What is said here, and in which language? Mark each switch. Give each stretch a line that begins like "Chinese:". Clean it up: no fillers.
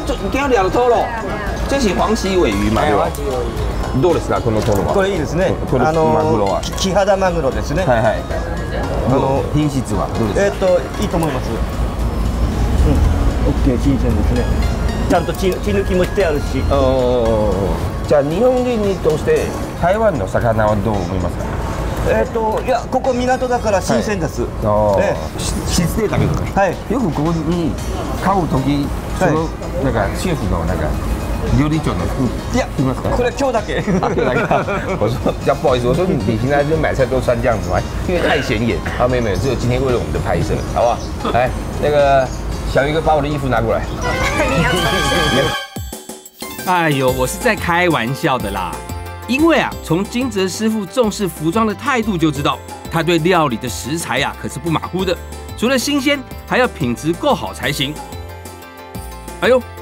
Chinese: 就你钓两头了，这是黄鳍尾鱼嘛，对吧？
Japanese: どうですかこのトロは？これいいですね。これマグロは？キハダマグロですね。はいはい。品質はどうですか？いいと思います。オッケー、新鮮ですね。ちゃんと血抜きもしてあるし。じゃあ日本人にとして台湾の魚はどう思いますか？いやここ港だから新鮮です。失礼だけど。はい。よくここに買うときそのなんかシェフのなんか。料理長の服いや着ますか？これ今日だけ。今日だけ。
Chinese: 我说比较不好意思，我说你平常就买菜都穿这样子吗？因为太显眼。啊，没有没有，只有今天为了我们的拍摄，好不好？来，那个小鱼哥把我的衣服拿过来。哎呦，我是在开玩笑的啦。因为啊，从金泽师傅重视服装的态度就知道，他对料理的食材啊可是不马虎的，除了新鲜，还要品质够好才行。哎呦。